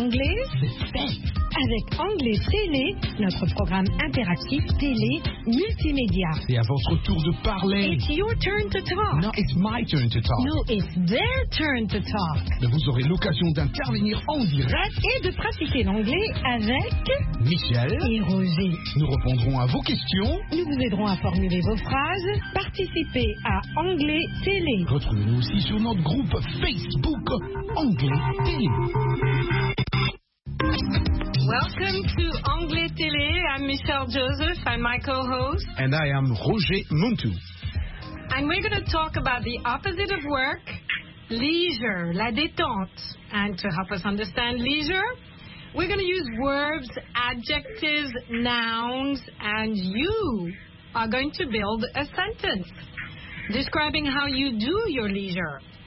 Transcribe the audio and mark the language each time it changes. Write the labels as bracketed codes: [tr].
[fr] Avec Anglais Télé, notre programme interactif télé multimédia. C'est à votre tour de parler. [en] It's your turn to talk. No, it's my turn to talk. No, it's their turn to talk. [fr] Mais vous aurez l'occasion d'intervenir en direct et de pratiquer l'anglais avec Michel et Roger. Nous répondrons à vos questions. Nous vous aiderons à formuler vos phrases. Participez à Anglais Télé. Retrouvez-nous aussi sur notre groupe Facebook Anglais Télé. [en] Welcome to Anglais Télé. I'm Michelle Joseph. I'm my co-host. And I am Roger Montou. And we're going to talk about the opposite of work, leisure, [fr] la détente. [en] And to help us understand leisure, we're going to use verbs, adjectives, nouns, and you are going to build a sentence describing how you do your leisure.